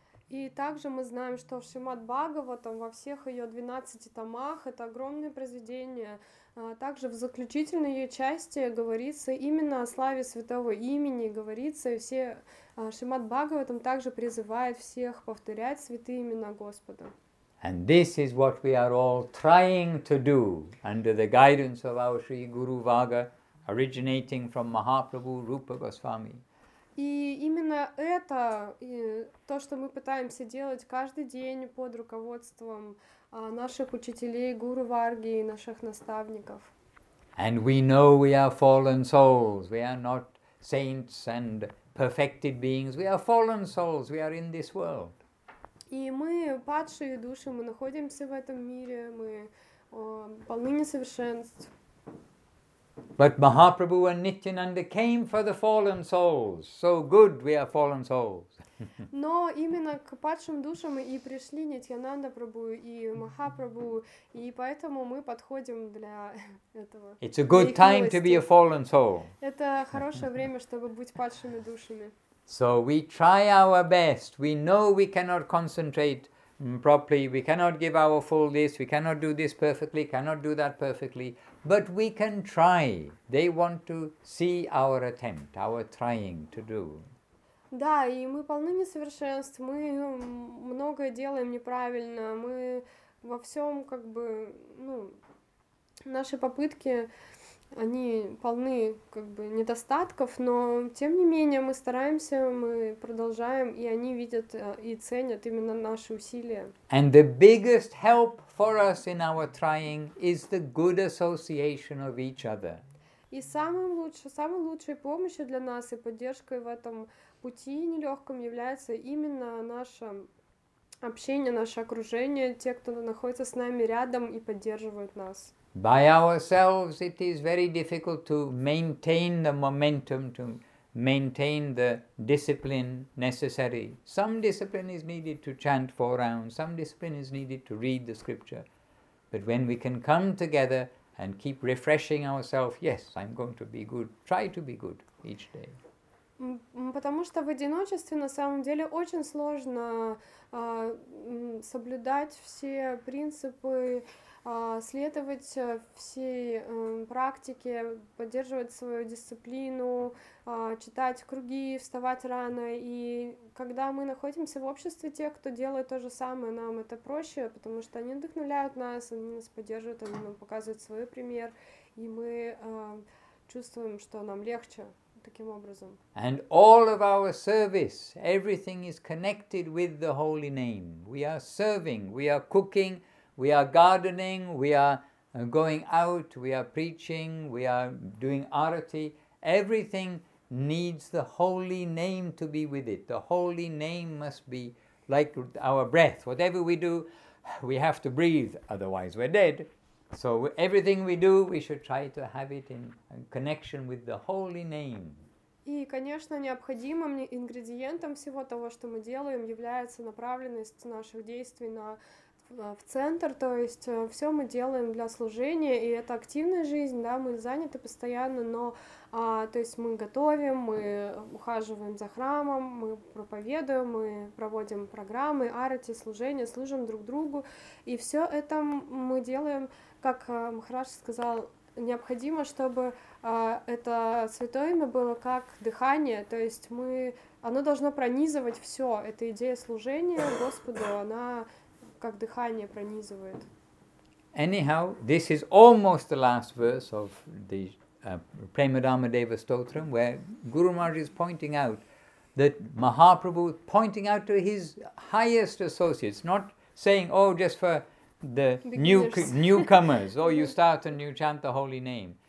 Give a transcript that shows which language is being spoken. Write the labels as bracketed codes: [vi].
[ru] И также мы знаем, что в Шримад Бхагаватам во всех ее 12 томах это огромное произведение. Также в заключительной ее части говорится именно о славе святого имени, говорится, все Шримад Бхагаватам также призывает всех повторять святые имена Господа. [en] And this is what we are all trying to do under the guidance of our Sri Guru Vaga, originating from Mahaprabhu Rupa Goswami. [ru] И именно это, и то, что мы пытаемся делать каждый день под руководством наших учителей, Гуру Варги и наших наставников. [en] And we know we are fallen souls. We are not saints and perfected beings. We are fallen souls. We are in this world. [ru] И мы падшие души, мы находимся в этом мире, мы полны несовершенств. [en] But Mahaprabhu and Nityananda came for the fallen souls. So good, we are fallen souls. [ru] Но именно к падшим душам и пришли Нитьянанда Прабху и Махапрабху, и поэтому мы подходим для этого. [en] It's a good time to be a fallen soul. [ru] Это хорошее время, чтобы быть падшими душами. [en] So we try our best. We know we cannot concentrate properly. We cannot give our full this. We cannot do this perfectly. Cannot do that perfectly. But we can try. They want to see our attempt, our trying to do. [ru] Да, и мы полны несовершенств. Мы многое делаем неправильно. Мы во всем как бы, ну, наши попытки, они полны как бы недостатков. Но тем не менее мы стараемся, мы продолжаем, и они видят и ценят именно наши усилия. [en] And the biggest help for us in our trying is the good association of each other. [ru] И самой лучшей помощью для нас и поддержкой в этом пути нелегком является именно наше общение, наше окружение, те, кто находится с нами рядом и поддерживают нас. [en] By ourselves, it is very difficult to maintain the momentum, to maintain the discipline necessary. Some discipline is needed to chant four rounds, some discipline is needed to read the scripture. But when we can come together and keep refreshing ourselves, yes, I'm going to be good, try to be good each day. [ru] Потому что в одиночестве на самом деле очень сложно соблюдать все принципы, следовать всей практике, поддерживать свою дисциплину, читать круги, вставать рано. И когда мы находимся в обществе тех, кто делает то же самое, нам это проще, потому что они вдохновляют нас, они нас поддерживают, они нам показывают свой пример, и мы чувствуем, что нам легче. Таким образом. [en] And all of our service, everything is connected with the holy name. We are serving, we are cooking, we are gardening, we are going out, we are preaching, we are doing arati. Everything needs the holy name to be with it. The holy name must be like our breath. Whatever we do, we have to breathe, otherwise we're dead. So everything we do, we should try to have it in connection with the holy name. [ru] И, конечно, необходимым ингредиентом всего того, что мы делаем, является направленность наших действий на в центр, то есть все мы делаем для служения, и это активная жизнь, да, мы заняты постоянно, но, то есть мы готовим, мы ухаживаем за храмом, мы проповедуем, мы проводим программы, арати, служения, служим друг другу, и все это мы делаем, как Махарадж сказал, необходимо, чтобы это святое имя было как дыхание, то есть мы, оно должно пронизывать все, эта идея служения Господу, она как дыхание пронизывает. [en] Anyhow, this is almost the last verse of the Premadama Deva Stotram, where Guru Maharaj is pointing out that Mahaprabhu is pointing out to his highest associates, not saying, oh, just for the newcomers, oh, you start and you chant the holy name.